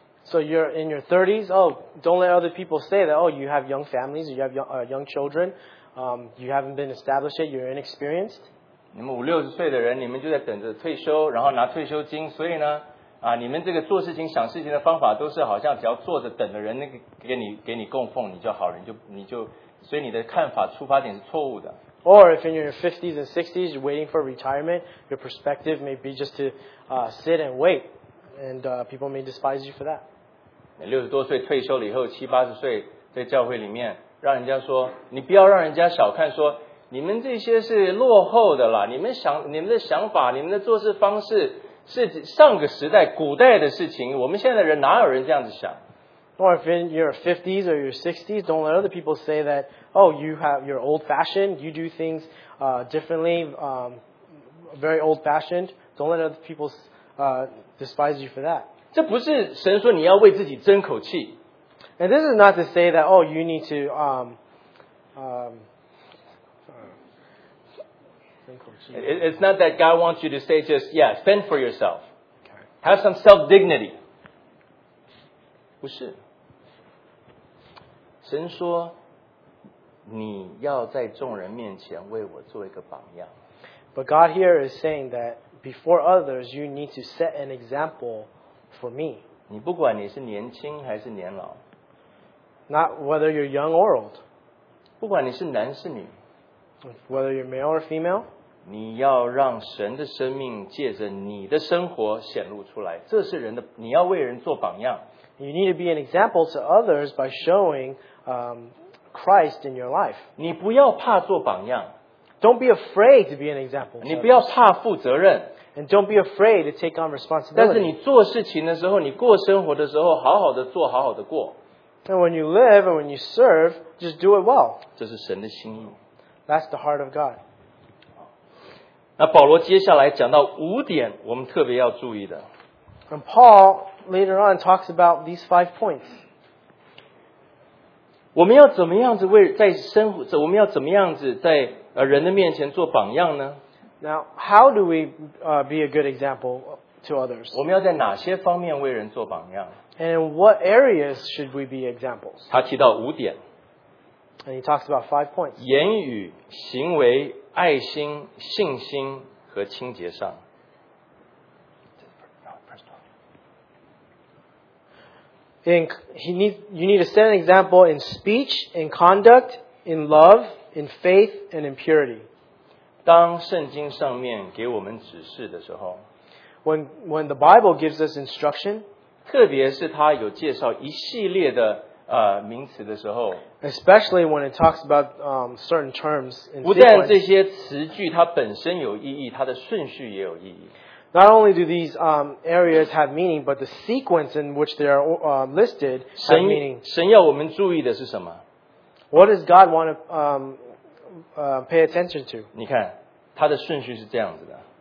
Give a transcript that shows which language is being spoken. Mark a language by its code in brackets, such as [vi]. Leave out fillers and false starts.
[en] So you're in your 30s. Oh, don't let other people say that. Oh, you have young families. You have young children. You haven't been established yet. You're inexperienced. [zh] 你们五六十岁的人，你们就在等着退休，然后拿退休金。所以呢，你们这个做事情、想事情的方法都是好像只要坐着等的人，那个给你供奉，你就好人，你就。所以你的看法出发点是错误的。 [en] Or if you're in your 50s and 60s, you're waiting for retirement, your perspective may be just to sit and wait, and people may despise you for that. [zh] 你六十多岁退休了以后，七八十岁在教会里面，让人家说，你不要让人家小看说，你们这些是落后的啦，你们的想法，你们的做事方式是上个时代、古代的事情，我们现在的人哪有人这样子想？ [en] Or if in your 50s or your 60s, don't let other people say that, oh, you're old-fashioned, you do things differently, very old-fashioned. Don't let other people despise you for that. [zh] 这不是神说你要为自己争口气。 [en] And this is not to say that, oh, you need to... [zh] 争口气。 [en] It's not that God wants you to say just, yeah, fend for yourself. Okay. Have some self-dignity. [zh] 不是。神说你要在众人面前为我做一个榜样。 [en] But God here is saying that before others, you need to set an example for me. [zh] 你不管你是年轻还是年老。 [en] Not whether you're young or old. [zh] 不管你是男是女。 [en] Whether you're male or female. [zh] 你要让神的生命借着你的生活显露出来。这是人的，你要为人做榜样。 [en] You need to be an example to others by showing Christ in your life. [zh] 你不要怕做榜样。 [en] Don't be afraid to be an example. [zh] 你不要怕负责任。 [en] And don't be afraid to take on responsibility. [zh] 但是你做事情的时候，你过生活的时候，好好的做，好好的过。 [en] And when you live and when you serve, just do it well. [zh] 这是神的心意。 [en] That's the heart of God. [zh] 那保罗接下来讲到五点，我们特别要注意的。 [en] And Paul later on talks about these 5 points. [zh] 我们要怎么样子在人的面前做榜样呢？ [en] Now, how do we be a good example to others? [zh] 我们要在哪些方面为人做榜样？ [en] And in what areas should we be examples? [zh] 他提到五点。 [en] And he talks about 5 points. [zh] 言语、行为、爱心、信心和清洁上。 [en] You need to set an example in speech, in conduct, in love, in faith, and in purity. [zh] 当圣经上面给我们指示的时候, [en] when the Bible gives us instruction, [zh] 特别是他有介绍一系列的, 名词的时候, [en] especially when it talks about certain terms in sequence, [zh] 不但这些词句它本身有意义，它的顺序也有意义。 [en] Not only do these areas have meaning, but the sequence in which they are listed have meaning. [zh] 神要我们注意的是什么? [en] What does God want to pay attention to? [zh] 你看, 它的顺序是这样子的。